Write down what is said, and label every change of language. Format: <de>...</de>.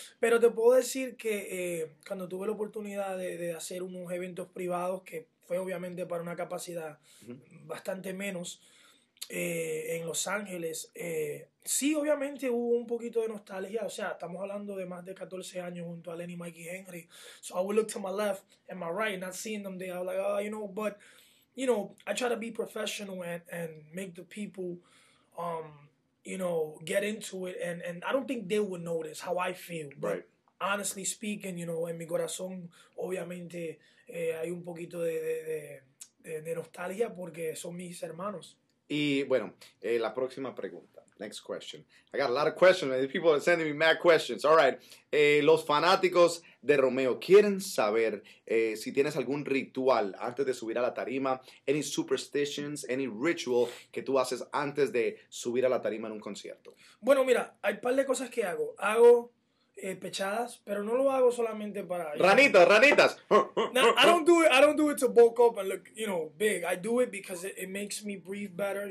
<es>Pero te puedo decir que cuando tuve la oportunidad de hacer unos eventos privados, que fue obviamente para una capacidad bastante menos en Los Ángeles, sí, obviamente hubo un poquito de nostalgia. O sea, estamos hablando de más de 14 años junto a Lenny, Mikey, Henry.</es> <en>So I would look to my left and my right, not seeing them there. I was like, oh, you know, but you know, I try to be professional and make the people, you know, get into it. And I don't think they would notice how I feel. But right. Honestly speaking, you know,</en> <es>en mi corazón, obviamente, hay un poquito de nostalgia porque son mis hermanos. Y, bueno, la próxima pregunta.</es> <en>next question. I got a lot of questions. Man. People are sending me mad questions. All right.</en> <es>Los fanáticos de Romeo quieren saber si tienes algún ritual antes de subir a la tarima.</es> <en>Any superstitions, any ritual</en> <es>que tú haces antes de subir a la tarima en un concierto. Bueno, mira, hay un par de cosas que hago. Hago pechadas, pero no lo hago solamente para... ¡Ranitas, ranitas!</es> <en>Now, I don't do it to bulk up and look, you know, big. I do it because it makes me breathe better.</en>